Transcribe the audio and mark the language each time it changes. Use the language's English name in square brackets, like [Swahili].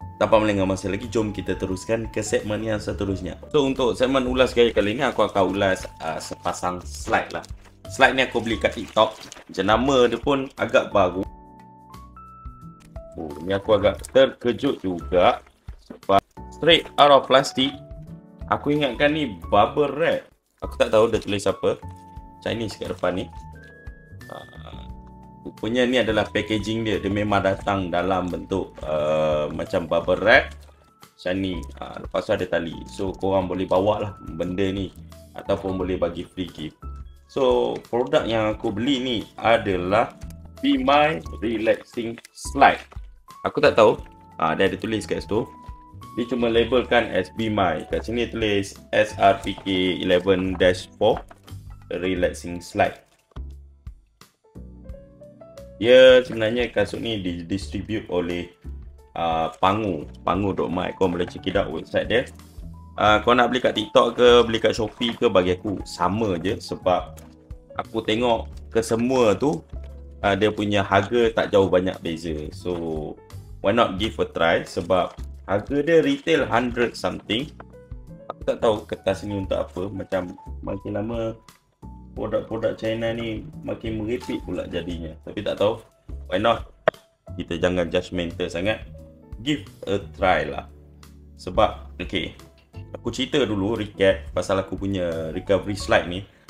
[Malay] Tanpa melengah masa lagi, jom kita teruskan ke segmen yang seterusnya. So, untuk segmen ulas kali ni, aku akan ulas sepasang slide lah. Slide ni aku beli kat TikTok. Jenama dia pun agak baru. Ni aku agak terkejut juga. [English] But straight out of plastic. [Malay] Aku ingatkan ni bubble wrap. Aku tak tahu dia tulis apa. Chinese kat depan ni. Rupanya ni adalah packaging dia. Dia memang datang dalam bentuk macam bubble wrap. Macam ni. Lepas tu ada tali. So korang boleh bawa lah benda ni. Ataupun boleh bagi free gift. So produk yang aku beli ni adalah Be My Relaxing Slide. Aku tak tahu. Dia ada tulis kat situ. Dia cuma labelkan as Be My. Kat sini tulis SRPK 11-4 Relaxing Slide. Ya, sebenarnya kasut ni didistribute oleh Pangu. Pangu.my. Kau boleh [English] check it out [Malay] website dia. Kau nak beli kat TikTok ke, beli kat Shopee ke, bagi aku sama je. Sebab aku tengok kesemua tu, dia punya harga tak jauh banyak beza. [English] So, why not give a try? [Malay] Sebab harga dia retail 100 something. Aku tak tahu kertas ni untuk apa. Macam makin lama produk-produk China ni makin merepek pula jadinya. Tapi tak tahu, [English] why not? [Malay] Kita jangan judgemental sangat. [English] Give a try [Malay] lah. Sebab, okay, aku cerita dulu, recap pasal aku punya recovery slide ni.